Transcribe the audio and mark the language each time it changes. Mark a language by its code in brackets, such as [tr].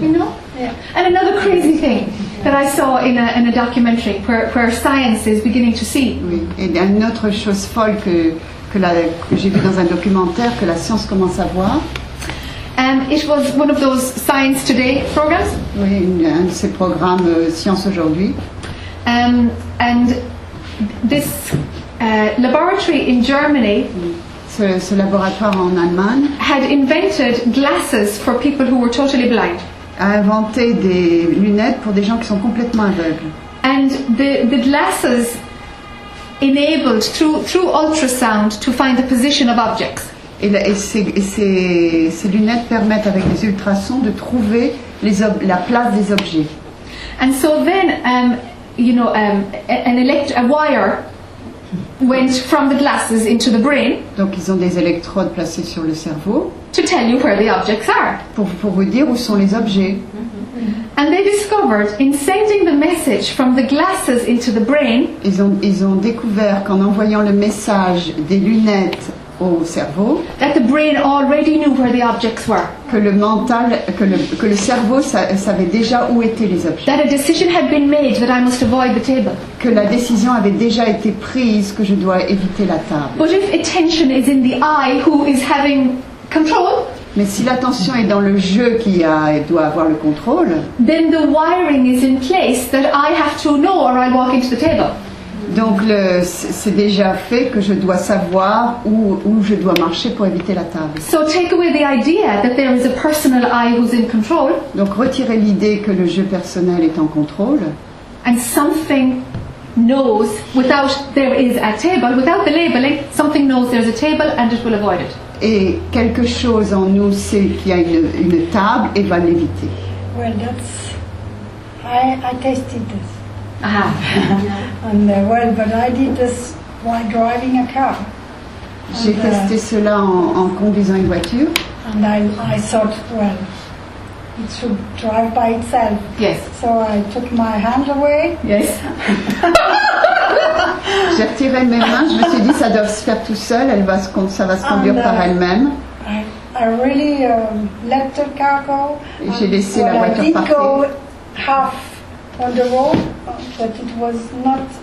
[en] You know? Yeah. And another crazy thing that I saw in a documentary where science is beginning to see. [fr] Oui. Et une autre chose folle que j'ai vu dans un documentaire que la science commence à voir. [en] It was one of those Science Today programs. [fr] Oui, un de ces programmes Science Aujourd'hui. [en] And this laboratory in Germany, [fr] ce laboratoire en Allemagne, [en] had invented glasses for people who were totally blind. [fr] A inventé des lunettes pour des gens qui sont complètement aveugles. [en] And the glasses enabled through ultrasound to find the position of objects. [fr] Et ces lunettes permettent avec des ultrasons de trouver la place des objets. [en] And so then. You know, a wire went from the glasses into the brain. [fr] Donc ils ont des électrodes placées sur le cerveau. [en] To tell you where the objects are. [fr] Pour vous dire où sont les objets. [en] And they discovered in sending the message from the glasses into the brain. [fr] Ils ont découvert qu'en envoyant le message des lunettes au cerveau. [en] That the brain already knew where the objects were. [fr] Que le cerveau savait déjà où étaient les objets. [en] That a decision had been made that I must avoid the table. [fr] Que la décision avait déjà été prise que je dois éviter la table. [en] But if attention is in the eye, who is having control? [fr] Mais si l'attention est dans le jeu qui doit avoir le contrôle. [en] Then the wiring is in place that I have to know or I walk into the table. [fr] Donc c'est déjà fait que je dois savoir où je dois marcher pour éviter la table. [en] So take away the idea that there is a personal eye who's in control. [fr] Donc retirez l'idée que le jeu personnel est en contrôle. [en] And something knows without there is a table, without the labeling, something knows there's a table and it will avoid it. [fr] Et quelque chose en nous sait qu'il y a une table et va l'éviter. [en] Well, that's I tested this. Ah. And well, but I did this while driving a car. [fr] J'ai testé cela en conduisant une voiture. [en] And I thought, well, it should drive by itself. Yes. So I took my hand away. Yes. [fr] J'ai retiré mes mains, je me suis dit, ça doit se faire tout seul, ça va se conduire par elle-même. [en] I really let the car go. [fr] Et j'ai laissé la voiture partir. [en] I did go half on the road, but it was not